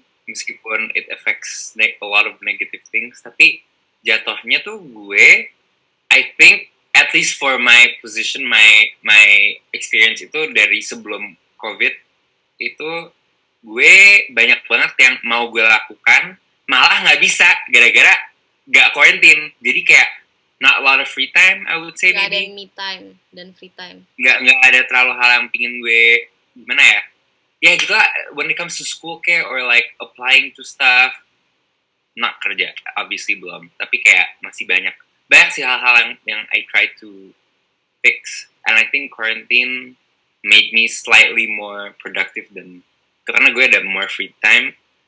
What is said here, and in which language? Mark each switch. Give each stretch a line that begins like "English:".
Indonesian: Meskipun
English: it affects a lot of negative things,
Indonesian: tapi jatuhnya tuh gue
English: I think, at least for my position, my experience
Indonesian: itu dari sebelum COVID, itu gue banyak banget yang mau gue lakukan, malah nggak bisa, gara-gara nggak quarantine. Jadi kayak,
English: not a lot of free time, I would say.
Indonesian: Nggak ada me time dan free time. Nggak ada terlalu hal yang pingin gue, gimana ya? Ya gitu lah,
English: when it comes to school care, or like applying to stuff, not
Indonesian: kerja,
English: obviously
Indonesian: belum. Tapi kayak masih banyak. Banyak sih hal-hal yang
English: I try to fix, and I think quarantine made me slightly more productive than
Indonesian: karena gue ada
English: more free time.